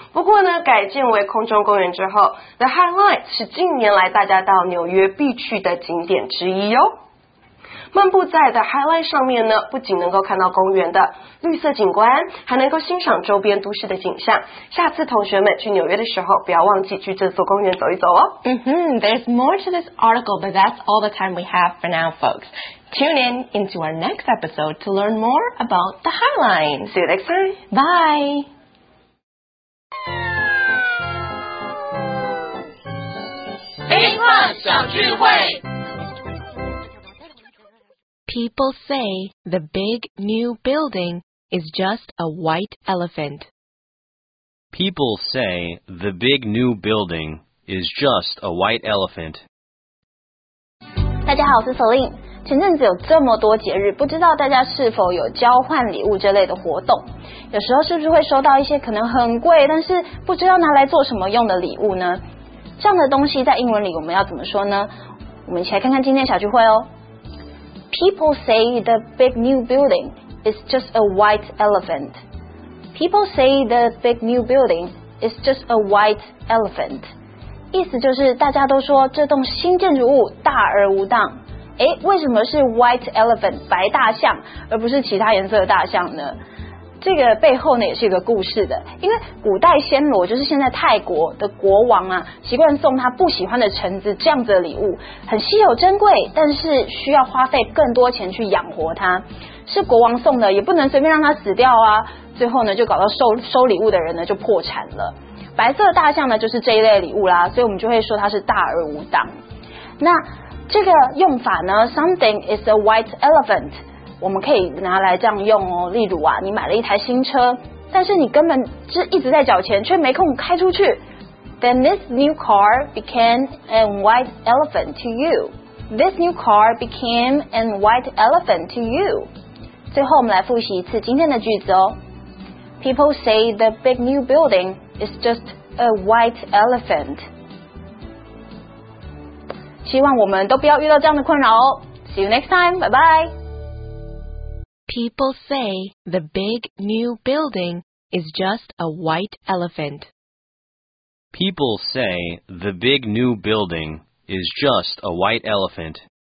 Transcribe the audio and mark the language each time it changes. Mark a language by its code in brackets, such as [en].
[zh] 不过呢改建为空中公园之后 The High Line 是近年来大家到纽约必去的景点之一哦。漫步在 The High Line 上面呢，不仅能够看到公园的绿色景观，还能够欣赏周边都市的景象。下次同学们去纽约的时候，不要忘记去这座公园走一走哦。 Mm-hmm. [en] There's more to this article, but that's all the time we have for now, folks. Tune in into our next episode to learn more about the High Line. See you next time. Bye. People say the big new building is just a white elephant. People say the big new building is just a white elephant. [zh] 大家好，我是 Celine。前阵子有这么多节日，不知道大家是否有交换礼物这类的活动？有时候是不是会收到一些可能很贵，但是不知道拿来做什么用的礼物呢？这样的东西在英文里我们要怎么说呢？我们一起来看看今天的小聚会哦。 [en] People say the big new building is just a white elephant. People say the big new building is just a white elephant. [zh] 意思就是大家都说这栋新建筑物大而无当。哎，为什么是 white elephant 白大象，而不是其他颜色的大象呢？这个背后呢也是一个故事的，因为古代暹罗就是现在泰国的国王啊，习惯送他不喜欢的臣子这样子的礼物，很稀有珍贵，但是需要花费更多钱去养活他，是国王送的，也不能随便让他死掉啊。最后呢，就搞到收礼物的人呢就破产了。白色大象呢就是这一类礼物啦，所以我们就会说它是大而无当。那这个用法呢， something is a white elephant，我们可以拿来这样用哦。例如啊，你买了一台新车，但是你根本是一直在缴钱却没空开出去。 [en] Then this new car became a white elephant to you. This new car became a white elephant to you. [zh] 最后我们来复习一次今天的句子哦。 [en] People say the big new building is just a white elephant. [zh] 希望我们都不要遇到这样的困扰哦。 [en] See you next time, bye bye. People say the big new building is just a white elephant. People say the big new building is just a white elephant.